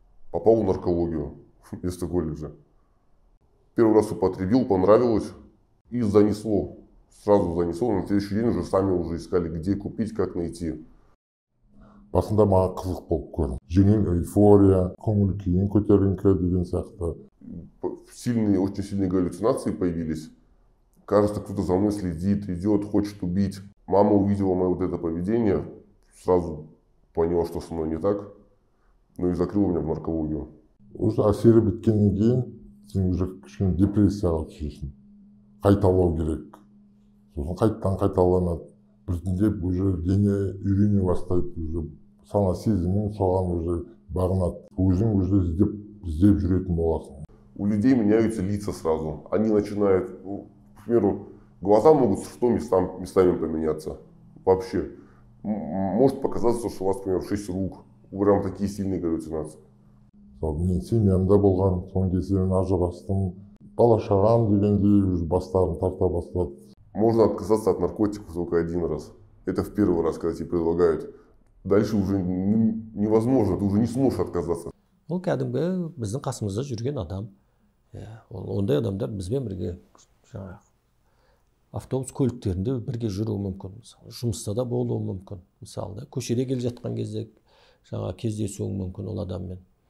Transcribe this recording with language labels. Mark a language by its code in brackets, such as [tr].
[ru] попал в наркологию вместо колледжа. Первый раз употребил, понравилось и занесло. Сразу занесло, на следующий день уже сами уже искали, где купить, как найти. [kk] Басында маған қызық болып көрін. Жеңіл эйфория, көңіл күйін көтеріңкі деген сияқты. [ru] Сильные, очень сильные галлюцинации появились. Кажется, кто-то за мной следит, идет, хочет убить. Мама увидела мое вот это поведение, сразу поняла, что со мной не так, ну и закрыла меня в наркологию. [kk] Уже әсері біткеннен кейін, сен уже кішкене депрессияға түсесің. Қайталау керек. Сосын қайтадан қайталанады. Біртіндеп уже дене үйрене бастайды, уже сана сезімің соған уже бағынады. Өзің уже іздеп жүретін боласың. [ru] У людей меняются лица сразу. Они начинают, ну, к примеру, глаза могут с ртом местами поменяться. Вообще, может показаться, что у вас, к примеру, 6 рук. Прям такие сильные галлюцинации. [kk] Мен семьямда болған, соң кезден ажырастым. Бала шағам дегендей уже бастарын тарта бастады. [ru] Можно отказаться от наркотиков только один раз. Это в первый раз, когда тебе предлагают. Дальше уже невозможно, ты уже не сможешь отказаться. [kk] Ол кәдімгі біздің қасымызда жүрген адам. Ондай адамдар бізбен бірге автобус көліктерінде бірге жүруі мүмкін. Жұмыста да болуы мүмкін. Мысалы, көшеде келе жатқан кезде кездесуі мүмкін ол адаммен.